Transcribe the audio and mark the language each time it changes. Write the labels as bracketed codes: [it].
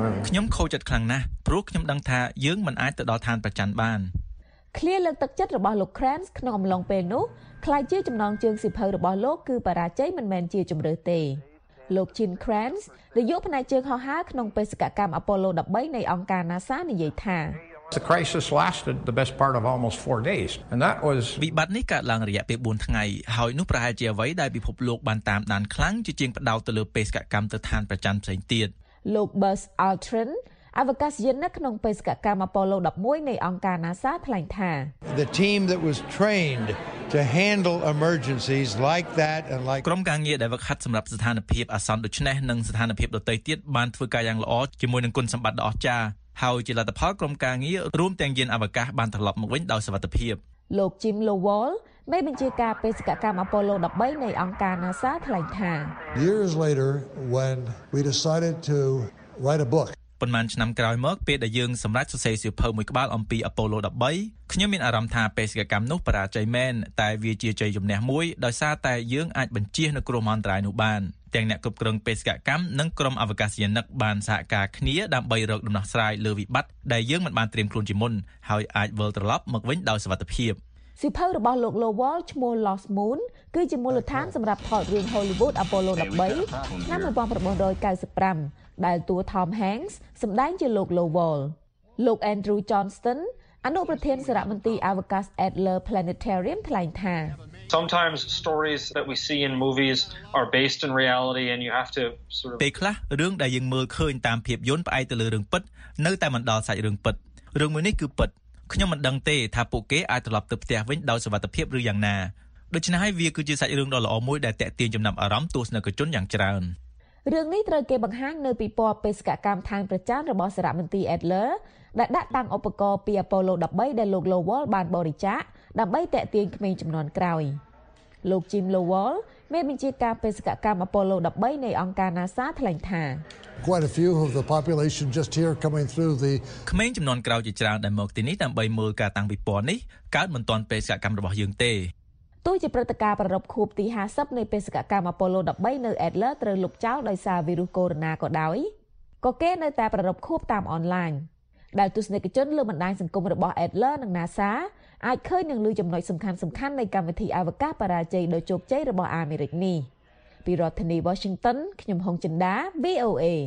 [km] ខ្ញុំខូចចិត្តខ្លាំងណាស់ព្រោះខ្ញុំដឹងថាយើងមិនអាចទៅដល់ឋានព្រះច័ន្ទបាន គ្លៀលើកទឹកចិត្តរបស់លោក Kranz ក្នុងអំឡុងពេលនោះខ្ល้ายជាចំណងជើងសិភៅរបស់លោកគឺបរាជ័យមិនមែនជាជម្រើសទេលោក Gene Kranz នាយកផ្នែកជើងហោះហើរក្នុងបេសកកម្ម Apollo 13នៃអង្គការ NASA និយាយថា [en] The crisis lasted the best part of almost 4 days and that was [km] វិបត្តិនេះកើតឡើងរយៈពេល4ថ្ងៃហើយនោះប្រហែលជាអ្វីដែលពិភពលោកបានតាមដានខ្លាំងជាជាងផ្ដោតទៅលើបេសកកម្មទៅឋានប្រចាំផ្សេងទៀត លោក Buzz Aldrin អវកាសយានិកក្នុងបេសកកម្ម Apollo 11នៃអង្គការ NASA ថ្លែងថា [en] The team that was trained to handle emergencies like that and like [km] ក្រុមការងារដែលហ្វឹកហាត់សម្រាប់ស្ថានភាពអាសន្នដូចនេះនិងស្ថានភាពដូចទីទៀតបានធ្វើការយ៉ាងល្អជាមួយនឹងគុណសម្បត្តិដ៏អស្ចារ្យហើយជាលទ្ធផលក្រុមការងាររួមទាំងយានអវកាសបានត្រឡប់មកវិញដោយសុវត្ថិភាព លោក Jim Lowell មេបញ្ជាការបេសកកម្ម Apollo 13នៃអង្គការ NASA ថ្លែងថា [en] Years later when we decided to write a book [km] ប៉ុន្មានឆ្នាំក្រោយមកពេលដែលយើងសម្រេចសរសេរសៀវភៅមួយក្បាលអំពី Apollo 13ខ្ញុំមានអារម្មណ៍ថាបេសកកម្មនោះបរាជ័យមែនតែវាជាជ័យជំនះមួយដោយសារតែយើងអាចបញ្ជៀសនៅគ្រោះមហន្តរាយនោះបានទាំងអ្នកគ្រប់គ្រងបេសកកម្មនិងក្រុមអវកាសយានិកបានសហការគ្នាដើម្បីរកដំណោះស្រាយលើវិបត្តិដែលយើងមិនបានត្រៀមខ្លួនជាមុនហើយអាចវិលត្រឡប់មកវិញដោយសុវត្ថិភាព សៀវភៅរបស់លោក Lowell ឈ្មោះ Lost Moon គឺជាមូលដ្ឋានសម្រាប់ថតរឿង Hollywood Apollo 13ឆ្នាំ1995ដែលតួ Tom Hanks សម្ដែងជាលោក Lowell លោក Andrew Johnston អនុប្រធានសារមន្ទីរអវកាស Adler Planetarium ថ្លែងថា [en] Sometimes stories that we see in movies are based in reality and you have to sort of [km] ពេលខ្លះរឿងដែលយើងមើលឃើញតាមភាពយន្តផ្អែកទៅលើរឿងពិតនៅតែមិនដល់សាច់រឿងពិតរឿងមួយនេះគឺពិតខ្ញុំមិនដឹងទេថាពួកគេអាចត្រឡប់ទៅផ្ទះវិញដោយសុវត្ថិភាពឬយ៉ាងណាដូច្នេះហើយវាគឺជាសាច់រឿងដ៏ល្អមួយដែលទាក់ទាញចំណាប់អារម្មណ៍ទស្សនិកជនយ៉ាងច្រើន រឿងនេះត្រូវគេបង្ហាញនៅពីពណ៌បេសកកម្មឋានប្រចាំរបស់សារមន្ទីរ Adler ដែលដាក់តាំងឧបករណ៍ពី Apollo 13ដែលលោក Lowell បានបរិច្ចាគដើម្បីតាក់ទាញក្មេងចំនួនក្រោយលោក Jim Lowell មានបញ្ជាការបេសកកម្ម Apollo 13នៃអង្គការ NASA ថ្លែងថា [en] Quite a few of the population just here coming through the [km] main ចំនួនក្រោយជាច្រើនដែលមកទីនេះដើម្បីមើលការតាំងពិព័រណ៍នេះកើតមិនទាន់បេសកកម្មរបស់យើងទេ ទោះជាព្រឹត្តិការណ៍ប្រារព្ធខួបទី50នៃបេសកកម្ម Apollo 13នៅ Adler ត្រូវលុបចោលដោយសារវីរុសកូវីដ-19ក៏ដោយ ក៏គេនៅតែប្រារព្ធខួបតាមអនឡាញដែលទស្សនិកជនលើបណ្ដាញសង្គមរបស់ Adler និង NASA អាចឃើញនឹងលឺចំណុចសំខាន់សំខាន់នៃកម្មវិធីអវកាសបរាជ័យដ៏ជោគជ័យរបស់អាមេរិកនេះពីរដ្ឋធានី Washington ខ្ញុំហុងចិនដា VOA